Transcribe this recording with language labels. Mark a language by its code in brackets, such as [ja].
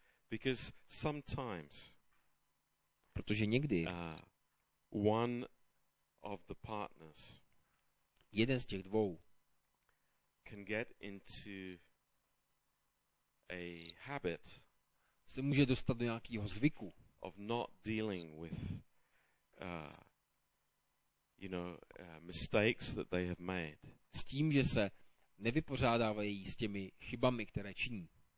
[en] Because sometimes. [cs] Protože někdy. [en] One of the partners. [cs] Jeden z těch dvou [en] can get into a habit, [cs] se může dostat do nějakého zvyku, [en] of not dealing with you know, mistakes that they have made, [cs] s tím, že se nevypořádávají s těmi chybami, které činí.